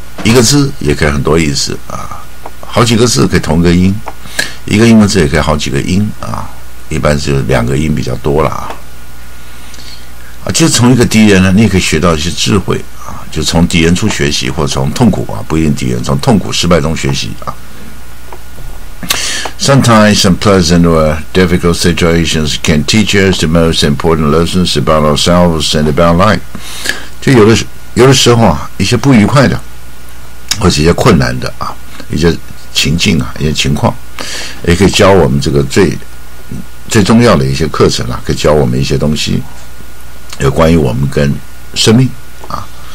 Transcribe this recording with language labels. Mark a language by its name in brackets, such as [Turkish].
[Chinese] 一个字也可以很多意思啊，好几个字可以同一个音，一个英文字也可以好几个音啊，一般就是两个音比较多了啊。啊，就从一个敌人呢，你也可以学到一些智慧啊，就从敌人处学习，或者从痛苦啊，不一定敌人，从痛苦失败中学习啊。 [English] Sometimes unpleasant or difficult situations can teach us the most important lessons about ourselves and about life. [Chinese] 就有的时候啊，一些不愉快的，或者一些困难的啊，一些情境啊，一些情况，也可以教我们这个最重要的一些课程啊，可以教我们一些东西，有关于我们跟生命啊。